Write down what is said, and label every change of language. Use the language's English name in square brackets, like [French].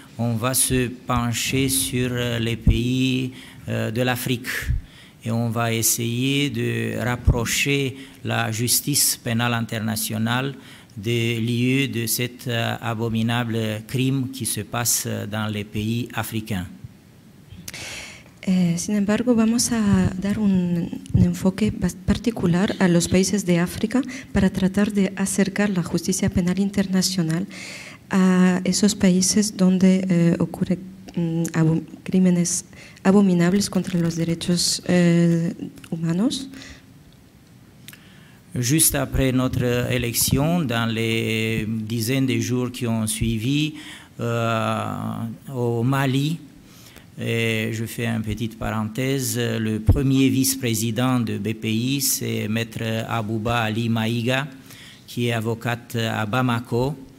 [French] On va se pencher sur les pays de l'Afrique et on va essayer de rapprocher la justice pénale internationale des lieux de cet abominable crime qui se passe dans les pays africains. [Spanish] Sin embargo, vamos a dar un enfoque particular a los países de África para tratar de acercar la justicia penal internacional a esos países donde ocurren crímenes abominables contra los derechos humanos. [French] Juste après notre élection, dans les dizaines de jours qui ont suivi, au Mali, et je fais une petite parenthèse, le premier vice-président de BPI, c'est Maître Abouba Ali Maïga, qui est avocate à Bamako.